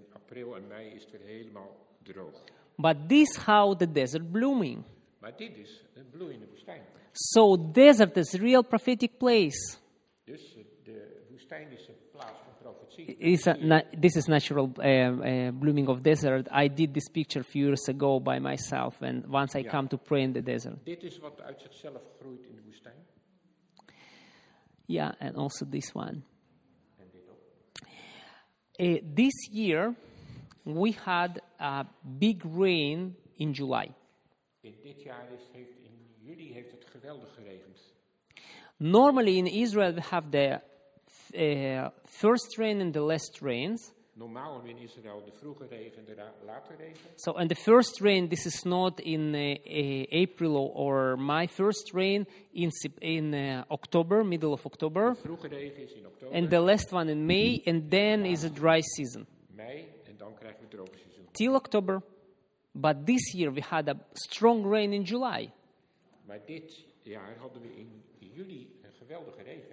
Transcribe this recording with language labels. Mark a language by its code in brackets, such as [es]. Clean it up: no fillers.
[nl] April en mei is het helemaal droog. [en] But this how the desert blooming. [nl] Maar dit is een bloeiende woestijn. [en] So desert is real prophetic place. [nl] Dus de woestijn is een plaats van profetie. [en] This is natural blooming of desert. I did this picture a few years ago by myself, and once I come to pray in the desert. [nl] Dit is wat uit zichzelf groeit in de woestijn. [en] Yeah, and also this one. This year, we had a big rain in July. [nl] In dit jaar in juli heeft het geweldig geregend. [en] Normally in Israel we have the first rain and the last rains. [nl] Normaal in Israël de vroege regen en de late regen. [en] So, and the first rain, this is not in April or my first rain in October, middle of October. [nl] De vroege regen is in oktober. [en] And the last one in May, and then is a dry season. [nl] Mei, en dan krijgen we het droge seizoen. [en] Till October, but this year we had a strong rain in July. [nl] Maar dit jaar hadden we in juli een geweldige regen.